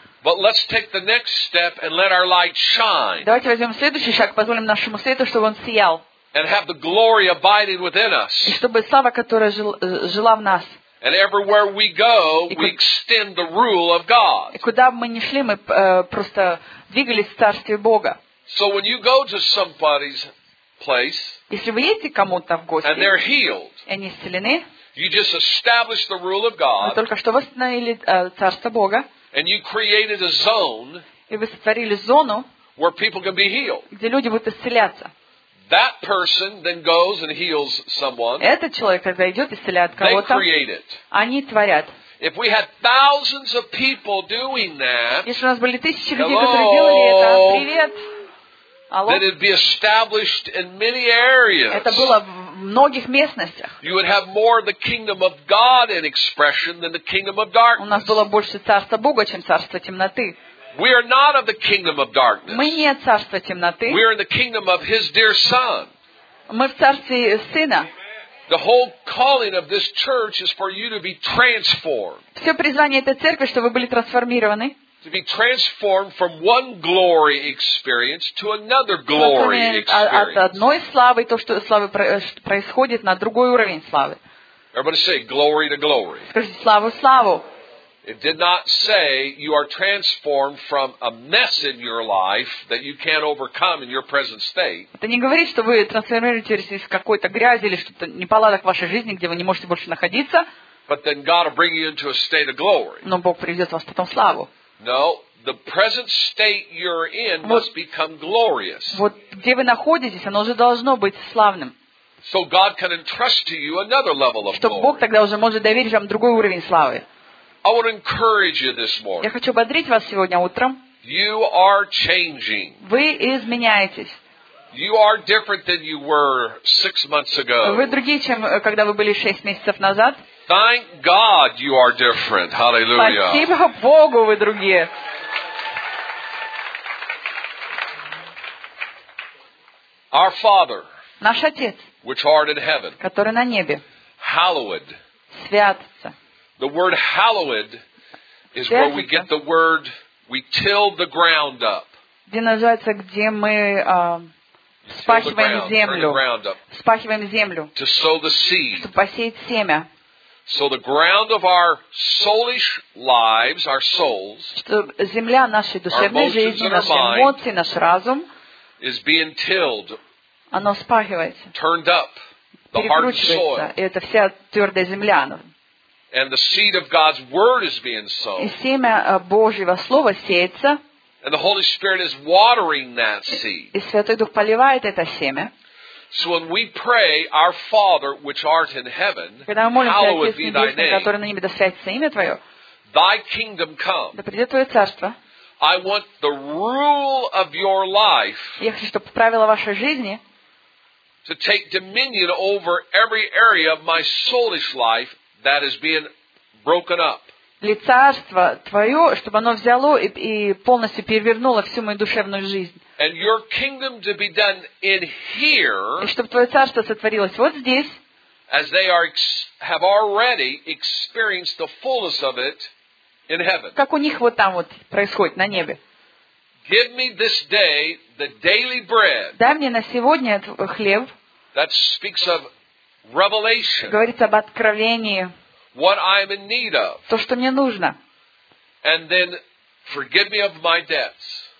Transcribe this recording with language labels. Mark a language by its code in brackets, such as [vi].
[en] But let's take the next step and let our light shine. [ru] Давайте возьмём следующий шаг, позволим нашему свету, чтобы он сиял. [en] And have the glory abiding within us. [ru] И чтобы слава, которая жила в нас. [en] And everywhere we go, we extend the rule of God. [ru] И куда бы мы ни шли, мы просто двигались в царстве Бога. [en] So when you go to somebody's place, [ru] если вы едете кому-то в гости, [en] and they're healed, [ru] и они исцелены, [en] you just establish the rule of God. [ru] Вы только что восстановили царство Бога. [en] And you created a zone, [ru] и вы сотворили зону, [en] where people can be healed, [ru] где люди будут исцеляться. [en] That person then goes and heals someone. [ru] Этот человек когда идёт исцеляет кого-то. [en] They create it. [ru] Они творят. [en] If we had thousands of people doing that. [ru] Если у нас были тысячи людей, которые делали это. Привет. Алло. [en] Then it'd be established in many areas. [ru] Это было в многих местностях. [en] You would have more of the kingdom of God in expression than the kingdom of darkness. [ru] У нас было больше царства Бога, чем царства темноты. [en] We are not of the kingdom of darkness. [ru] Мы не от царства темноты. [en] We are in the kingdom of His dear Son. [ru] Мы в царстве Сына. [en] The whole calling of this church is for you to be transformed. [ru] Все призвание этой церкви, чтобы вы были трансформированы. [en] To be transformed from one glory experience to another glory experience. [ru] От одной славы, то, что славы происходит, на другой уровень славы. [en] Everybody say glory to glory. [ru] Скажите славу славу. [en] It did not say you are transformed from a mess in your life that you can't overcome in your present state. [ru] Это не говорит, что вы трансформируетесь из какой-то грязи или что-то неполадок в вашей жизни, где вы не можете больше находиться. [en] But then God will bring you into a state of glory. [ru] Но Бог приведет вас потом в славу. [en] No, the present state you're in must become glorious. [ru] Вот где вы находитесь, оно уже должно быть славным. [en] So God can entrust to you another level of glory. [ru] Чтобы Бог тогда уже может доверить вам другой уровень славы. [en] I want to encourage you this morning. [ru] Я хочу ободрить вас сегодня утром. [en] You are changing. [ru] Вы изменяетесь. [en] You are different than you were 6 months ago. [ru] Вы другие, чем когда вы были 6 месяцев назад. [en] Thank God you are different. Hallelujah. [ru] Спасибо Богу, вы другие. [en] Our Father. [ru] Наш Отец. [en] Which art in heaven. [ru] Который на небе. [en] Hallowed. [ru] Святится. [en] The word hallowed is where we get the word we till the ground up. [ru] Где называется, где мы вспахиваем землю. Вспахиваем землю. [en] To sow the seed. [ru] Чтобы посеять семя. [en] So the ground of our soulish lives, our souls, [ru] земля нашей душевной жизни, наши эмоции, наш разум, [en] is being tilled. [ru] Оно вспахивается. [en] Turned up. The hard soil. [ru] И это вся твердая земля. [en] And the seed of God's word is being sown. [ru] И семя Божьего слова сеется. [en] And the Holy Spirit is watering that seed. [ru] И Святой Дух поливает это семя. [en] So when we pray, our Father which art in heaven, hallowed be thy name. [ru] Который на небе, да святится имя твое. [en] Thy kingdom come. [ru] Да придет твое царство. [en] I want the rule of your life. [ru] Я хочу, чтобы правила вашей жизни. [en] To take dominion over every area of my soulish life. That is being broken up. [ru] Царство твоё, чтобы оно взяло и полностью перевернуло всю мою душевную жизнь. [en] And your kingdom to be done in here. [ru] И чтобы твоё царство сотворилось вот здесь. [en] As they have already experienced the fullness of it in heaven. [ru] Как у них вот там вот происходит на небе. [en] Give me this day the daily bread. [ru] Дай мне на сегодня хлеб. [en] That speaks of Revelation. [ru] Говорится об откровении. [en] What I am in need of. [ru] То, что мне нужно. [en] And then forgive me of my debts.